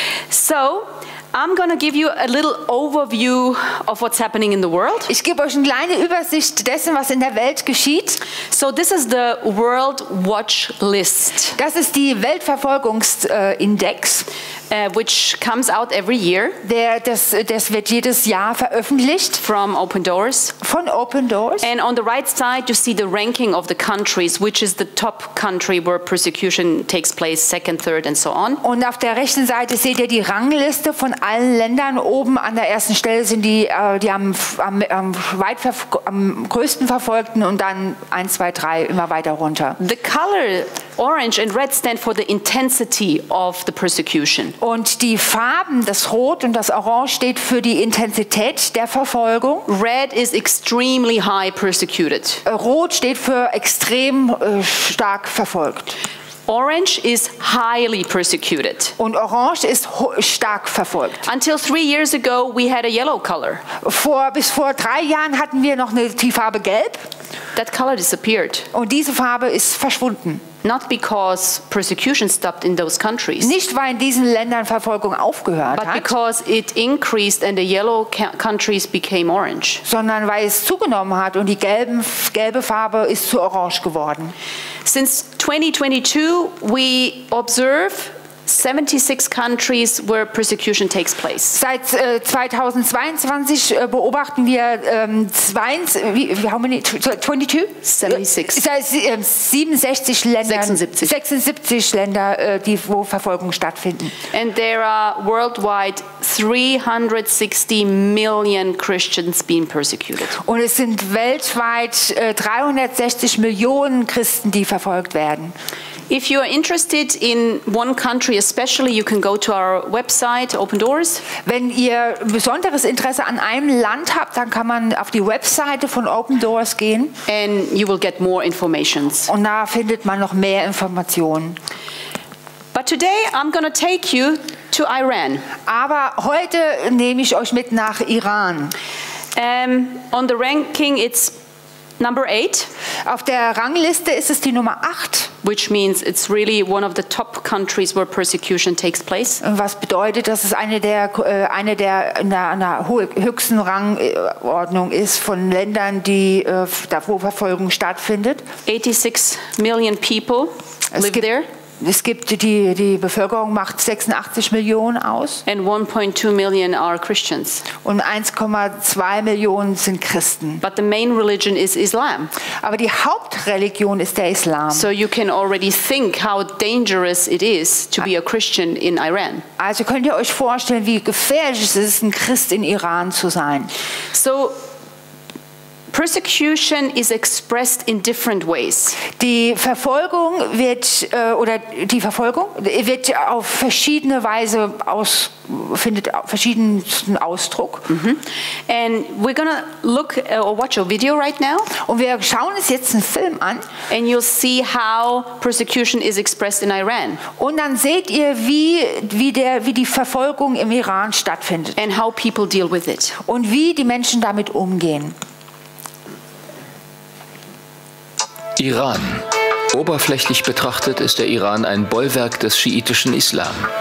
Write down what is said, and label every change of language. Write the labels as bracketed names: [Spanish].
[English] So, I'm going to give you a little overview of what's happening in the world. [German] Ich gebe euch eine kleine Übersicht dessen, was in der Welt geschieht. [English] So this is the World Watch List. [German] Das ist die Weltverfolgungsindex, [English] which comes out every year. [German] Das wird jedes Jahr veröffentlicht [English] from Open Doors. [German] Von Open Doors. [English] And on the right side you see the ranking of the countries, which is the top country where persecution takes place, second, third and so on. [German] Und auf der rechten Seite seht ihr die Rangliste von allen Ländern. Oben an der ersten Stelle sind die am größten Verfolgten, und dann 1, 2, 3 immer weiter runter. [English] The color orange and red stand for the intensity of the persecution. [German] Und die Farben, das Rot und das Orange, steht für die Intensität der Verfolgung. [English] Red is extremely high persecuted. [German] Rot steht für extrem stark verfolgt. [English] Orange is highly persecuted. [German] Und Orange ist stark verfolgt. [English] Until 3 years ago, we had a yellow color. [German] Bis vor 3 Jahren hatten wir noch eine Tieffarbe Gelb. [English] That color disappeared. [German] Und diese Farbe ist verschwunden. [English] Not because persecution stopped in those countries. [German] Nicht weil in diesen Ländern Verfolgung aufgehört [English] but [German] hat. [English] But because it increased and the yellow countries became orange. [German] Sondern weil es zugenommen hat und die gelbe Farbe ist zu Orange geworden. [English] Since 2022 we observe 76 countries where persecution takes place. [German] Seit 2022 beobachten wir 76 Länder, 76 Länder, wo Verfolgung stattfinden. [English] And there are worldwide 360 million Christians being persecuted. [German] Und es sind weltweit 360 Millionen Christen, die verfolgt werden. [English] If you are interested in one country especially, you can go to our website Open Doors. [German] Wenn ihr besonderes Interesse an einem Land habt, dann kann man auf die Webseite von Open Doors gehen. [English] And you will get more information. [German] Und da findet man noch mehr Informationen. [English] But today I'm going to take you to Iran. [German] Aber heute nehme ich euch mit nach Iran. [English] On the ranking it's number 8. [German] Auf der Rangliste ist es die Nummer 8, [English] which means it's really one of the top countries where persecution takes place. [German] Und was bedeutet, dass es eine der höchsten Rangordnung ist von Ländern, die da wo Verfolgung stattfindet. [English] 86 million people live there. [German] Es gibt die Bevölkerung macht 86 Millionen aus. [English] And 1.2 million are Christians. [German] Und 1,2 Millionen sind Christen. [English] But the main religion is Islam. [German] Aber die Hauptreligion ist der Islam. [English] So you can already think how dangerous it is to be a Christian in Iran. [German] Also könnt ihr euch vorstellen, wie gefährlich es ist, ein Christ in Iran zu sein. [English] So persecution is expressed in different ways. [German] Die Verfolgung wird oder die Verfolgung wird auf verschiedene Weise findet verschiedensten Ausdruck. Mm-hmm. [English] And we're gonna look or watch a video right now. [German] Und wir schauen uns jetzt einen Film an. [English] And you'll see how persecution is expressed in Iran. [German] Und dann seht ihr, wie die Verfolgung im Iran stattfindet. [English] And how people deal with it. [German] Und wie die Menschen damit umgehen. Iran. Oberflächlich betrachtet ist der Iran ein Bollwerk des schiitischen Islam.